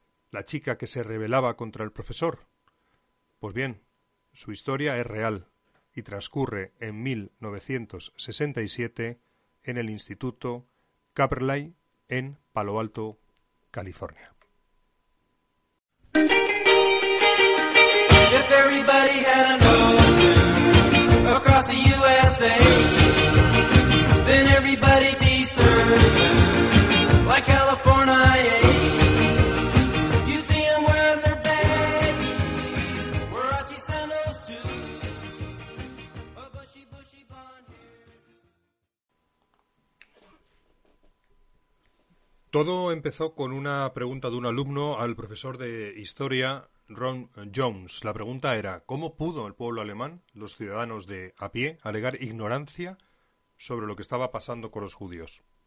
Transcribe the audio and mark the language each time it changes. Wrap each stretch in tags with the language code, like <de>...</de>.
<es>La chica que se rebelaba contra el profesor. Pues bien, su historia es real y transcurre en 1967 en el Instituto Kaperlay en Palo Alto, California.</es> <en>If everybody had an ocean across the USA, then everybody be surfing like California. You'd see them wearing their baggies, Huarache sandals too, a bushy, bushy blonde hair.</en> <es>Todo empezó con una pregunta de un alumno al profesor de historia, Ron Jones. La pregunta era: ¿cómo pudo el pueblo alemán, los ciudadanos de a pie, alegar ignorancia sobre lo que estaba pasando con los judíos?</es>